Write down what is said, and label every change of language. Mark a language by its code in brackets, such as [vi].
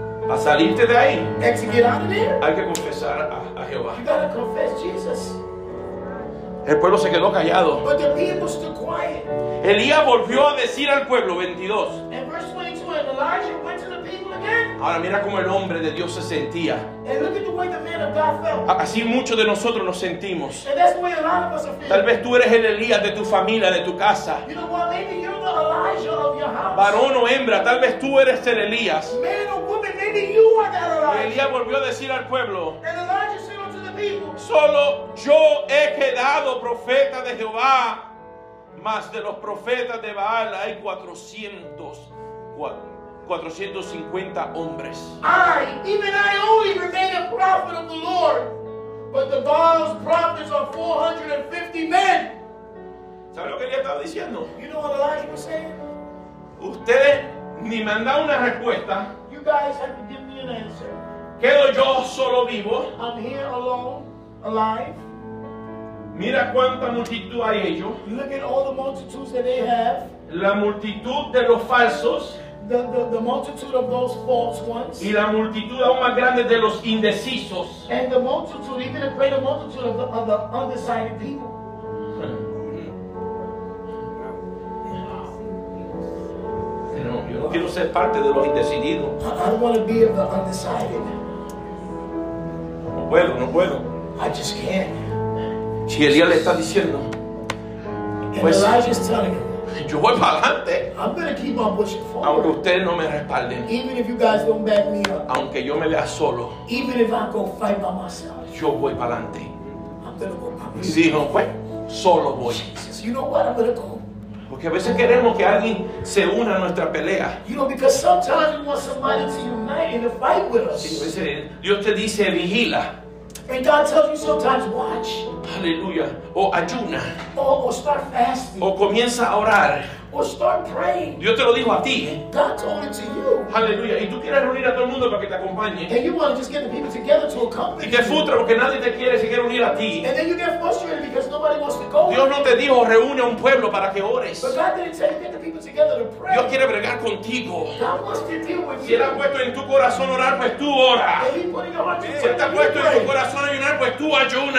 [es] A salirte de ahí. [en] And to get out of there. [es] Hay que confesar a Jehová. [en] You gotta confess Jesus. [es] El pueblo se quedó callado. [en] But the people stood quiet. [es] Elías volvió a decir al pueblo, 22. [en] And verse 22, and Elijah went to the people again. [es] Ahora mira cómo el hombre de Dios se sentía. [en] And look at the way the man of God felt. [es] Así muchos de nosotros nos sentimos. [en] And that's the way a lot of us are feeling. [es] Tal vez tú eres el Elías de tu familia, de tu casa. [en] You know what? Maybe you're the Elijah of your house. [es] Varón o hembra, tal vez tú eres el Elías. [en] Man or woman, maybe you are that Elijah. [es] Elías volvió a decir al pueblo. [en] And Elijah said unto the people. [es] Solo yo he quedado profeta de Jehová. Mas de los profetas de Baal hay 450 hombres. [en] I only remain a prophet of the Lord, but the Baal's prophets are 450 men. [es] ¿Sabe lo que él estaba diciendo? [en] You know what Elijah was saying? [es] Ustedes ni me han dado una respuesta. [en] You guys have to give me an answer. [es] Quedo yo solo vivo. [en] I'm here alone, alive. [es] Mira cuánta multitud hay ellos. [en] Look at all the multitudes that they have. [es] La multitud de los falsos. [en] The multitude of those false ones. [es] Y la multitud aún más grande de los indecisos. [en] And the multitude, even a greater multitude of the undecided people. [es] No, yo no quiero ser parte de los indecididos. [en] I don't want to be of the undecided. [es] No puedo. [en] I just can't. [es] Si Elías le está diciendo, [en] pues, Elijah's telling him, [es] yo voy para adelante. [en] I'm gonna keep on pushing forward. [es] Aunque ustedes no me respalden. [en] Even if you guys don't back me up. [es] Aunque yo me vea solo. [en] Even if I go fight by myself. [es] Yo voy para adelante. [en] I'm gonna go by myself. [es] Y dijo, pues, solo voy. [en] Jesus, you know what? I'm gonna go. [es] Porque a veces queremos que alguien se una a nuestra pelea. [en] You know, because sometimes we want somebody to unite in a fight with us. [es] Sí, a veces Dios te dice, vigila. [en] And God tells you sometimes, watch. [es] Hallelujah. O ayuna. [en] Or start fasting. [es] O comienza a orar. [en] Or start praying. [es] Dios te lo dijo a ti. [en] God told it to you. Hallelujah. [es] Y tú quieres reunir a todo el mundo para que te acompañe. [en] And you want to just get the people together to accompany you. [es] Y te frustra porque nadie te quiere si quiere unir a ti. [en] And then you get frustrated because nobody wants to go. [es] Dios no te dijo reúne a un pueblo para que ores. [en] But God didn't tell you get the people together to pray. [es] Dios quiere bregar contigo. [en] God wants to deal with you. [es] Si él ha puesto en tu corazón orar, pues tú ora. [en] And he put in your heart to pray. [es] Si él te ha puesto en tu corazón ayunar, pues tú ayuna.